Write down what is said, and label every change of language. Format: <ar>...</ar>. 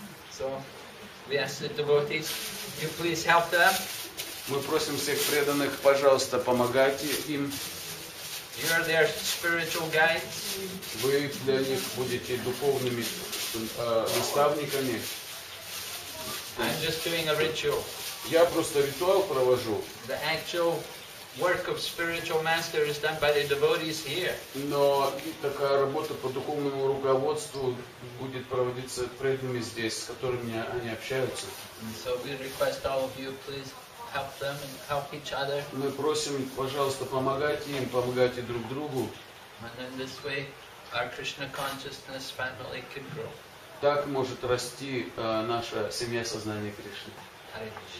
<en>So we ask the devotees, you please help them.</en> <ru>Мы просим всех преданных, пожалуйста, помогайте им.</ru> <en>You are their spiritual guides.</en> <ru>Вы для них будете духовными наставниками.</ru> <en>I'm just doing a ritual.</en> <ru>Я просто ритуал провожу.</ru> <en>The actual work of spiritual master is done by the devotees here.</en> <ru>Но такая работа по духовному руководству будет проводиться преданными здесь, с которыми они общаются.</ru> <en>So we request all of you, please help them and help each other.</en> <ru>Мы просим, пожалуйста, помогать им, помогайте друг другу.</ru> <en>And in this way, our Krishna consciousness family can grow.</en> <ru>Так может расти наша семья сознания Кришны.</ru>